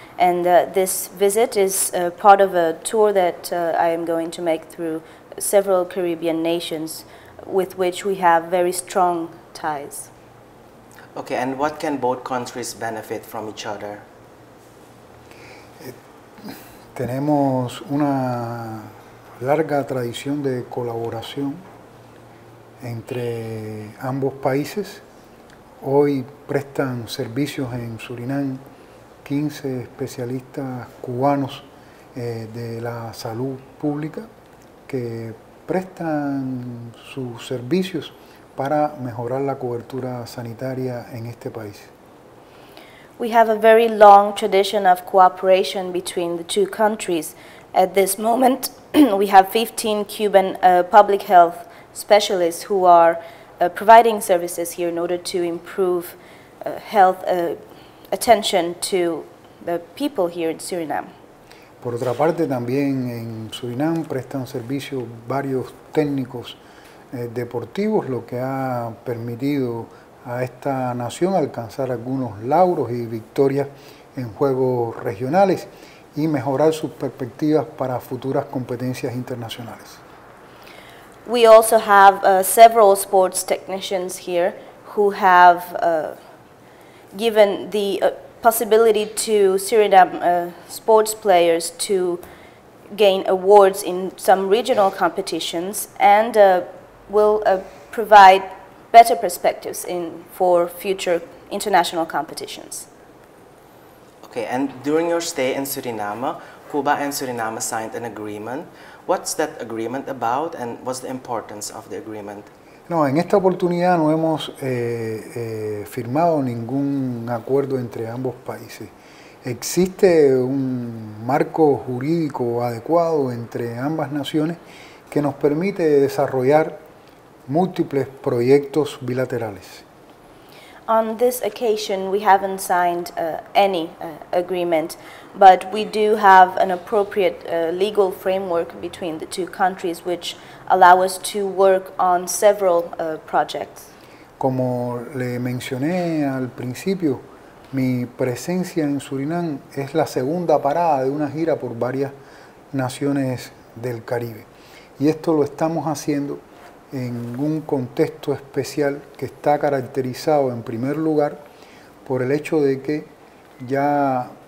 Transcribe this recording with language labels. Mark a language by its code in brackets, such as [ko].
[en] And this visit is part of a tour that I am going to make through several Caribbean nations with which we have very strong ties. Okay, and what can both countries benefit from each other? [es] Tenemos una larga tradición de colaboración entre ambos países. Hoy prestan servicios en Surinam 15 especialistas cubanos de la salud pública que prestan sus servicios para mejorar la cobertura sanitaria en este país. [en] We have a very long tradition of cooperation between the two countries. At this moment, we have 15 Cuban public health specialists who are providing services here in order to improve health attention to the people here in Suriname. [es] Por otra parte, también en Surinam prestan servicio varios técnicos deportivos, lo que ha permitido a esta nación alcanzar algunos lauros y victorias en juegos regionales y mejorar sus perspectivas para futuras competencias internacionales. [en] We also have several sports technicians here who have given the possibility to Suriname sports players to gain awards in some regional competitions and will provide better perspectives for future international competitions. Okay, and during your stay in Suriname, Cuba and Suriname signed an agreement. What's that agreement about and what's the importance of the agreement? [es] No, en esta oportunidad no hemos firmado ningún acuerdo entre ambos países. Existe un marco jurídico adecuado entre ambas naciones que nos permite desarrollar múltiples proyectos bilaterales. [en] On this occasion, we haven't signed any agreement, but we do have an appropriate legal framework between the two countries, which allow us to work on several projects. [es] Como le mencioné al principio, mi presencia en Surinam es la segunda parada de una gira por varias naciones del Caribe. Y esto lo estamos haciendo en un contexto especial que está caracterizado en primer lugar por el hecho de que ya